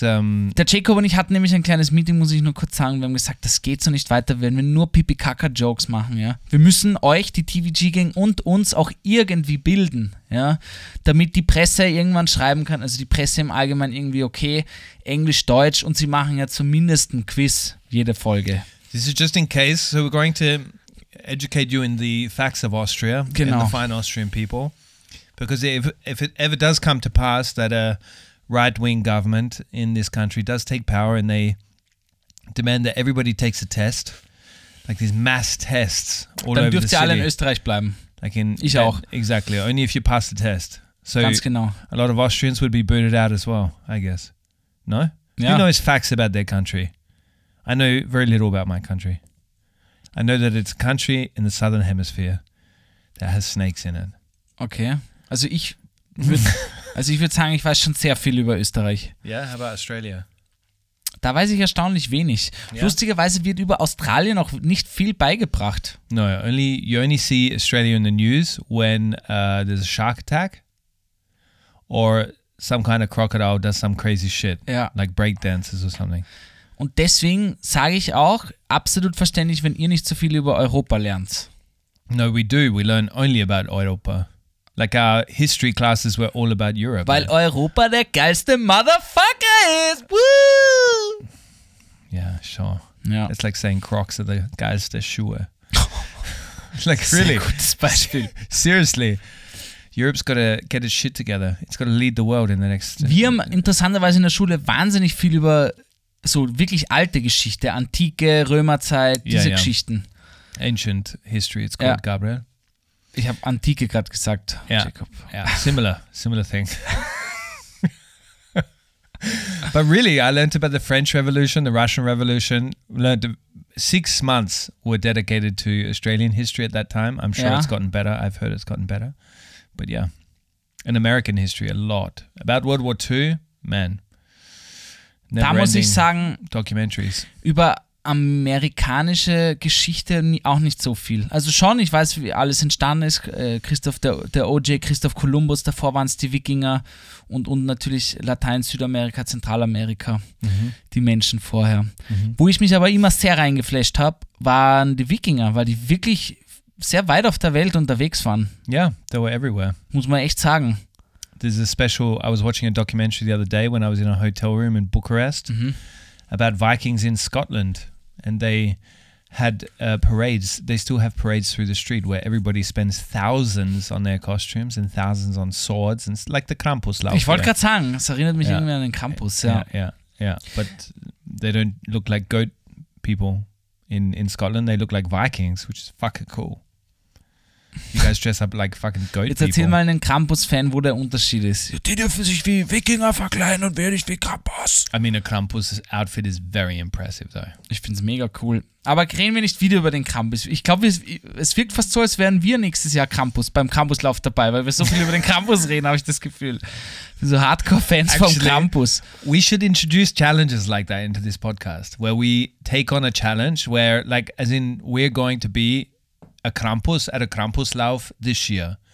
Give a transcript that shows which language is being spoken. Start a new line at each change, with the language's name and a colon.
German: Der Jacob und ich hatten nämlich ein kleines Meeting, muss ich nur kurz sagen. Wir haben gesagt, das geht so nicht weiter, wenn wir nur Pipi-Kaka-Jokes machen. Ja? Wir müssen euch, die TVG-Gang und uns auch irgendwie bilden, ja? Damit die Presse irgendwann schreiben kann. Also die Presse im Allgemeinen irgendwie okay, Englisch, Deutsch und sie machen ja zumindest ein Quiz jede Folge.
English: This is just in case, so we're going to educate you in the facts of Austria,
German: genau.
English: And the fine Austrian people, because if it ever does come to pass that a right-wing government in this country does take power and they demand that everybody takes a test, like these mass tests all
German: dann
English: over
German: dürft
English: the city.
German: Alle in Österreich bleiben.
English: Like in,
German: ich auch.
English: Exactly, only if you pass the test. So
German: ganz genau.
English: A lot of Austrians would be booted out as well, I guess. No? Yeah. Who knows facts about their country? I know very little about my country. I know that it's a country in the southern hemisphere that has snakes in it. Okay.
German: Also ich würde sagen, ich weiß schon sehr viel über Österreich.
English: Yeah, how about Australia?
German: Da weiß ich erstaunlich wenig. Yeah. Lustigerweise wird über Australien auch nicht viel beigebracht.
English: No, you only see Australia in the news when there's a shark attack or some kind of crocodile does some crazy shit. Yeah. Like breakdances or something.
German: Und deswegen sage ich auch, absolut verständlich, wenn ihr nicht so viel über Europa lernt.
English: No, we do. We learn only about Europa. Like our history classes were all about Europe.
German: Weil yeah. Europa der geilste Motherfucker ist. Woo!
English: Yeah, sure. Yeah. It's like saying Crocs are the
German: geilste Schuhe.
English: Like, really?
German: Sehr gutes Beispiel.
English: Seriously. Europe's got to get its shit together. It's got to lead the world in the next...
German: Wir haben interessanterweise in der Schule wahnsinnig viel über... So wirklich alte Geschichte, Antike, Römerzeit, diese
English: yeah.
German: Geschichten.
English: Ancient history, it's called, yeah. Gabriel.
German: Ich habe Antike gerade gesagt,
English: yeah. Jacob. Yeah. Similar thing. But really, I learned about the French Revolution, the Russian Revolution. Learned 6 months were dedicated to Australian history at that time. I'm sure, yeah. It's gotten better. I've heard it's gotten better. But yeah, in American history, a lot. About World War II, man.
German: Never da muss ich sagen,
English: Documentaries.
German: Über amerikanische Geschichte auch nicht so viel. Also schon, ich weiß, wie alles entstanden ist. Christoph der OJ, Christoph Kolumbus, davor waren es die Wikinger und natürlich Latein, Südamerika, Zentralamerika, die Menschen vorher. Mhm. Wo ich mich aber immer sehr reingeflasht habe, waren die Wikinger, weil die wirklich sehr weit auf der Welt unterwegs waren.
English: Ja, yeah, they were everywhere.
German: Muss man echt sagen.
English: There's a special, I was watching a documentary the other day when I was in a hotel room in Bucharest, about Vikings in Scotland, and they had parades. They still have parades through the street where everybody spends thousands on their costumes and thousands on swords, and like the Krampuslauf.
German: Ich wollte gerade sagen, es erinnert mich irgendwie an den Krampus. Ja.
English: Yeah, but they don't look like goat people in Scotland. They look like Vikings, which is fucking cool. You guys dress up like fucking goat people.
German: Jetzt erzähl mal einen Krampus-Fan, wo der Unterschied ist. Die dürfen sich wie Wikinger verkleiden und werde ich wie Krampus.
English: I mean, a Krampus-Outfit is very impressive, though.
German: Ich find's mega cool. Aber reden wir nicht wieder über den Krampus. Ich glaube, es wirkt fast so, als wären wir nächstes Jahr Krampus, beim Krampuslauf dabei, weil wir so viel über den Krampus reden, habe ich das Gefühl. So Hardcore-Fans vom Krampus.
English: We should introduce challenges like that into this podcast, where we take on a challenge, where, like, as in, we're going to be a Krampus at a Krampuslauf this year.